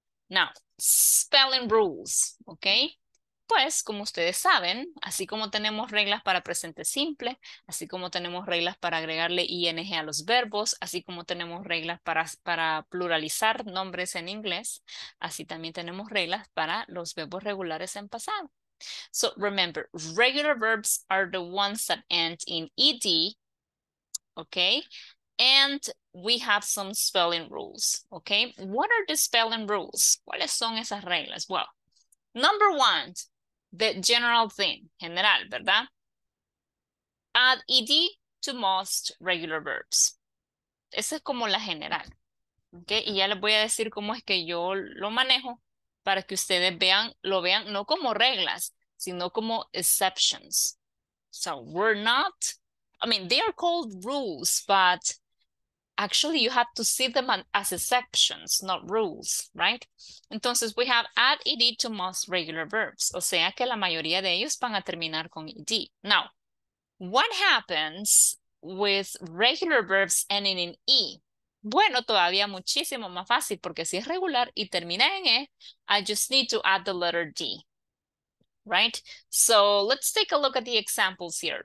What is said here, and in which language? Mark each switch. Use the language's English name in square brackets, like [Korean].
[English] Now, spelling rules, [Spanish] ¿ok? Pues, como ustedes saben, así como tenemos reglas para presente simple, así como tenemos reglas para agregarle ing a los verbos, así como tenemos reglas para pluralizar nombres en inglés, así también tenemos reglas para los verbos regulares en pasado. [English] So remember, regular verbs are the ones that end in ed, okay? And we have some spelling rules, okay? What are the spelling rules? [Spanish] ¿Cuáles son esas reglas? [English] Well, number one, the general thing, general, ¿verdad? Add ed to most regular verbs. [Spanish] Esa es como la general, [English] okay? [Spanish] Y ya les voy a decir cómo es que yo lo manejo para que ustedes lo vean no como reglas, sino como exceptions. [English] So we're not, I mean, they are called rules, but actually you have to see them as exceptions, not rules, right? Entonces we have add ed to most regular verbs. [Spanish] O sea que la mayoría de ellos van a terminar con ed. [English] Now, what happens with regular verbs ending in e? [Spanish] Bueno, todavía muchísimo más fácil porque si es regular y termina en e, [English] I just need to add the letter d. [Spanish] Right? [English] So let's take a look at the examples here.